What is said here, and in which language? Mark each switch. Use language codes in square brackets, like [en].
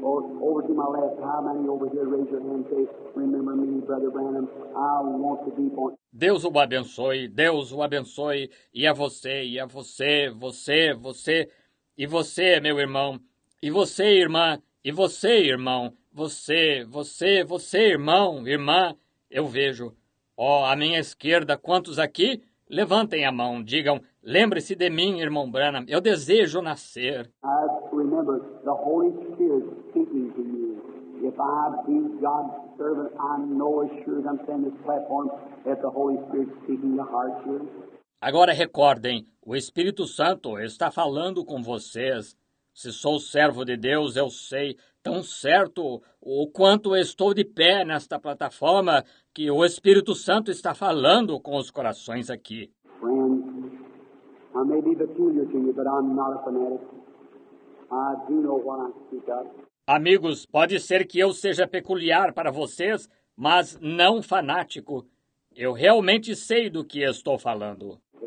[en] Over to my left, how many over here, raise your hand, say, remember me, Brother Branham, I want to be born. [pt] Deus o abençoe, Deus o abençoe, e a você, você, você, e você, meu irmão, e você, irmão, você, você, você, irmão, irmã, eu vejo. Ó, à minha esquerda, quantos aqui? Levantem a mão, digam, lembre-se de mim, irmão Branham, eu desejo nascer. [en] I remember the Holy Spirit speaking to you. If I be God's servant, I know assured I'm standing this platform that the Holy Spirit speaking your heart here. [pt] Agora recordem, o Espírito Santo está falando com vocês. Se sou servo de Deus, eu sei tão certo o quanto estou de pé nesta plataforma que o Espírito Santo está falando com os corações aqui. [en] Friend, I may be peculiar to you, but I'm not a fanatic. I do know what I speak of. [pt] Amigos, pode ser que eu seja peculiar para vocês, mas não fanático. Eu realmente sei do que estou falando.